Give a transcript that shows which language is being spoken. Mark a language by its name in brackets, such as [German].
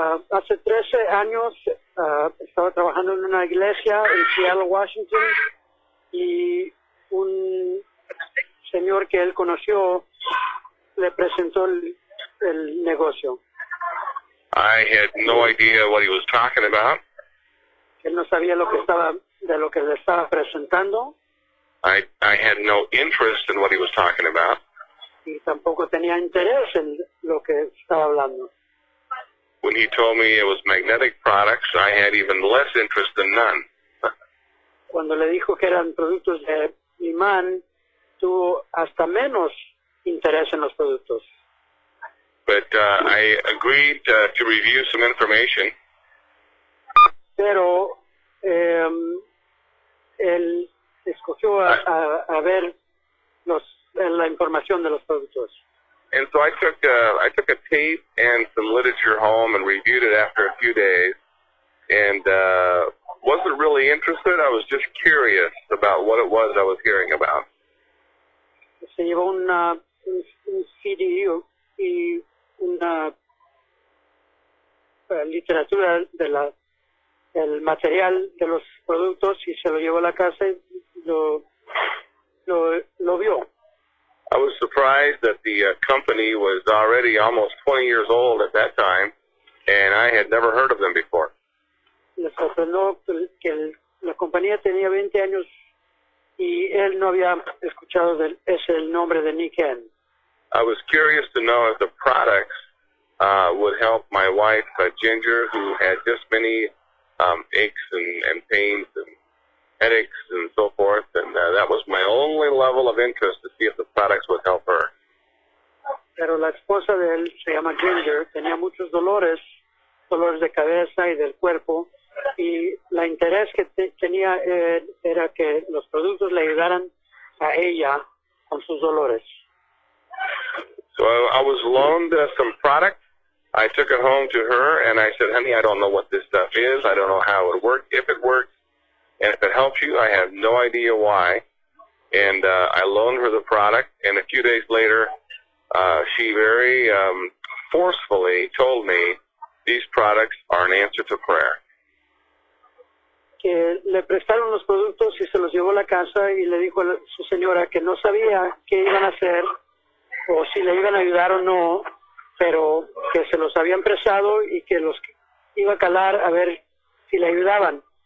[Spanish] Hace 13 años estaba trabajando en una iglesia en Seattle, Washington, y un señor que él conoció le presentó el negocio. [English] I had no idea what he was talking about. [Spanish] Él no sabía de lo que le estaba presentando. [English] I had no interest in what he was talking about. [Spanish] Y tampoco tenía interés en lo que estaba hablando. [English] When he told me it was magnetic products, I had even less interest than none. [Spanish] Cuando le dijo que eran productos de imán, tuvo hasta menos interés en los productos. [English] But I agreed to review some information. [Spanish] Pero él escogió a ver la información de los productos. [English] And so I took a tape and some literature home and reviewed it after a few days, and wasn't really interested. I was just curious about what it was I was hearing about. [Spanish] Se llevó un CD y una literatura del material de los productos y se lo llevó a la casa y lo vio. [English] I was surprised that the company was already almost 20 years old at that time, and I had never heard of them before. [Spanish] Me sorprendió que la compañía tenía 20 años y él no había escuchado ese nombre de Nican. [English] I was curious to know if the products would help my wife, Ginger, who had just many aches and pains and headaches and so forth, and that was my only level of interest, to see if the products would help her. [Spanish] Pero la esposa de él, se llama Ginger, tenía muchos dolores de cabeza y del cuerpo, y la interés que tenía era que los productos le ayudaran a ella con sus dolores. [English] So I was loaned some product. I took it home to her, and I said, honey, I don't know what this stuff is. I don't know how it works, if it works. And if it helps you, I have no idea why. And I loaned her the product, and a few days later, she very forcefully told me these products are an answer to prayer. [Spanish] Que le prestaron los productos y se los llevó a la casa y le dijo a su señora que no sabía qué iban a hacer o si le iban a ayudar o no, pero que se los habían prestado y que los iba a calar a ver si le ayudaban.